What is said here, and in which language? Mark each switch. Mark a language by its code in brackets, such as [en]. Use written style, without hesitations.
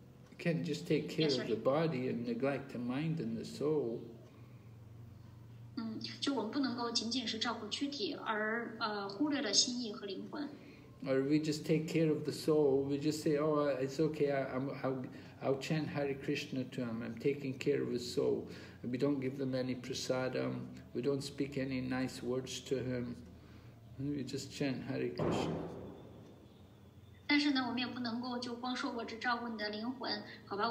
[en] You can't just take care of the body and neglect the mind and the soul. [zh] 就我们不能够仅仅是照顾躯体，而忽略了心意和灵魂。 [en] Or we just take care of the soul. We just say, "Oh, it's okay. I'll chant Hare Krishna to him. I'm taking care of his soul." And we don't give them any prasadam. We don't speak any nice words to him. We just chant Hare Krishna. [zh] 但是呢，我们也不能够就光说我只照顾你的灵魂，好吧？